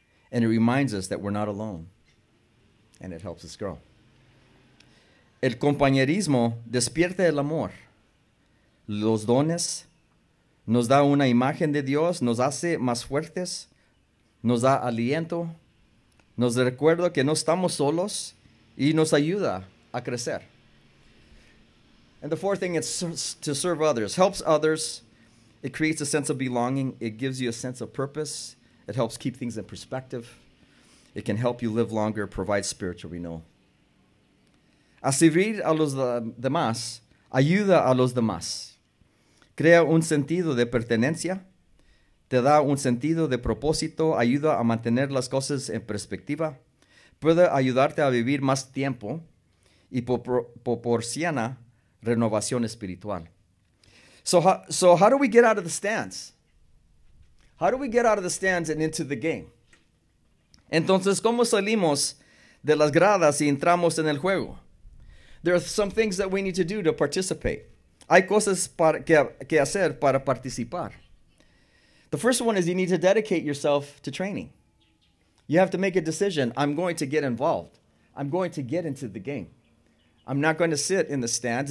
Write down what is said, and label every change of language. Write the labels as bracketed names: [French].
[English] And it reminds us that we're not alone. And it helps us grow. [Spanish] El compañerismo despierta el amor. Los dones nos da una imagen de Dios, nos hace más fuertes, nos da aliento, nos recuerda que no estamos solos y nos ayuda a crecer. [English] And the fourth thing is to serve others. Helps others. It creates a sense of belonging. It gives you a sense of purpose. It helps keep things in perspective. It can help you live longer, provide spiritual renewal. [Spanish] A servir a los demás, ayuda a los demás. Crea un sentido de pertenencia. Te da un sentido de propósito. Ayuda a mantener las cosas en perspectiva. Puede ayudarte a vivir más tiempo. Y proporciona renovación espiritual. [English] So how do we get out of the stands? How do we get out of the stands and into the game? [Spanish] Entonces, ¿cómo salimos de las gradas y entramos en el juego? [English] There are some things that we need to do to participate. [Spanish] Hay cosas que hacer para participar. [English] The first one is you need to dedicate yourself to training. You have to make a decision. I'm going to get involved. I'm going to get into the game. I'm not going to sit in the stands.